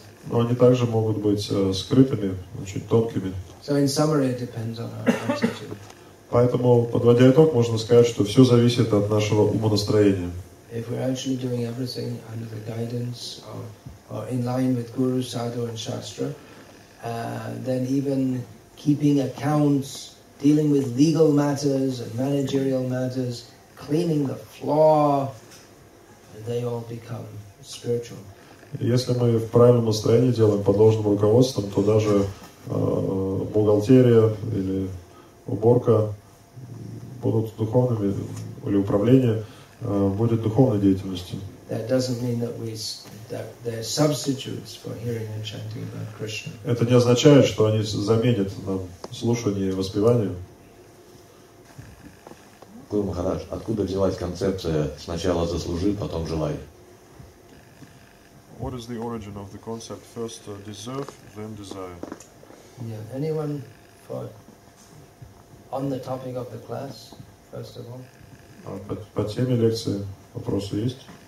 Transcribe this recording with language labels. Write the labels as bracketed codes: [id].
[ru] Но они также могут быть скрытыми, очень тонкими. [en] So in summary, it depends on our attitude. [ru] Поэтому, подводя итог, можно сказать, что все зависит от нашего умонастроения. [en] If we're actually doing everything under the guidance or in line with Guru, Sadhu and Shastra, then even keeping accounts, dealing with legal matters and managerial matters, cleaning the floor, they all become spiritual. [ru] Если мы в правильном настроении делаем под должным руководством, то даже бухгалтерия или уборка будут духовными, или управление будет духовной деятельностью. [en] That doesn't mean that they're substitutes for hearing and chanting about Krishna. [ru] Это не означает, что они заменят нам слушание и воспевание. Гуру Махарадж, откуда взялась концепция «сначала заслужи, потом желай»? [en] What is the origin of the concept first deserve, then desire? Yeah, anyone for on the topic of the class, first of all? [ru] По теме лекции вопросы есть?